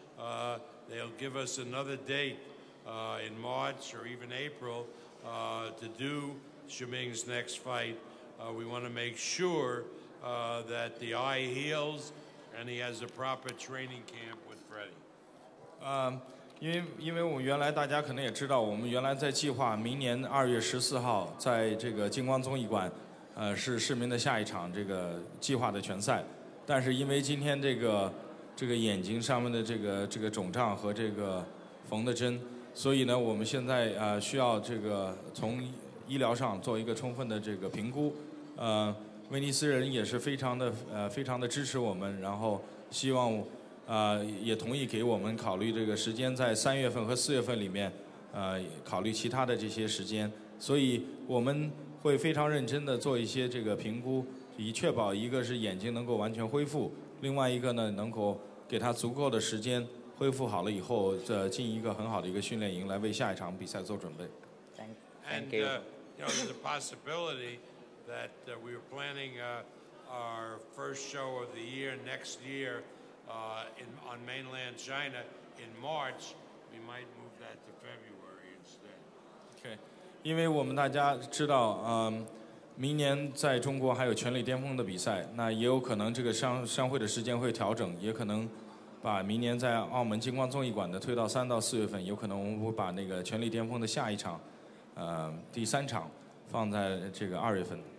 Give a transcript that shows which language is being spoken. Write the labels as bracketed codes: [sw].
[en] They'll give us another date in March or even April to do Shiming's next fight. We want to make sure that the eye heals and he has a proper training camp with Freddy. [zh] 因为我们原来大家可能也知道，我们原来在计划明年2月14号在这个金光综艺馆，是市民的下一场这个计划的拳赛，但是因为今天这个眼睛上面的这个肿胀和这个缝的针，所以呢，我们现在需要这个从医疗上做一个充分的这个评估。威尼斯人也是非常的支持我们，然后希望也同意给我们考虑这个时间在3月份和4月份里面，考虑其他的这些时间，所以我们会非常认真的做一些这个评估，以确保一个是眼睛能够完全恢复。另外一个呢，能够给他足够的时间恢复好了以后，进一个很好的一个训练营，来为下一场比赛做准备。 [en] Thank you. And you know, there's a possibility that we are planning our first show of the year next year on mainland China in March. We might move that to February instead. Okay. [zh] 因为我们大家知道，明年在中国还有权力巅峰的比赛，那也有可能这个商会的时间会调整，也可能把明年在澳门金光综艺馆的推到3到4月份，有可能我们会把那个权力巅峰的下一场，第三场放在这个2月份。